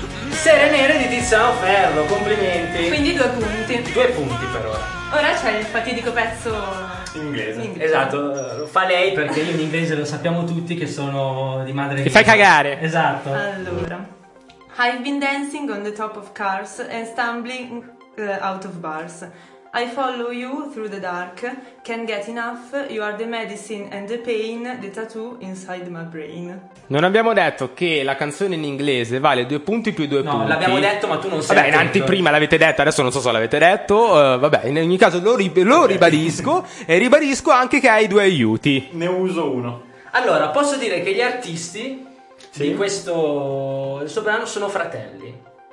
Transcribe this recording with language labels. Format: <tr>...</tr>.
<it>Sere nere di Tiziano Ferro, complimenti. Quindi due punti. Due punti per ora. Ora c'è il fatidico pezzo in inglese. Esatto, lo fa lei perché io in inglese lo sappiamo tutti che sono di madre. Ti fai cagare. Esatto. Allora.</it> <en>I've been dancing on the top of cars and stumbling out of bars. I follow you through the dark, can't get enough, you are the medicine and the pain, the tattoo inside my brain.</en> <it>Non abbiamo detto che la canzone in inglese vale due punti più due punti. No, l'abbiamo detto, ma tu non sei. Vabbè, attento. In anteprima l'avete detto, adesso non so se l'avete detto, vabbè, in ogni caso lo ribadisco e ribadisco anche che hai due aiuti. Ne uso uno. Allora, posso dire che gli artisti di questo soprano sono fratelli.</it>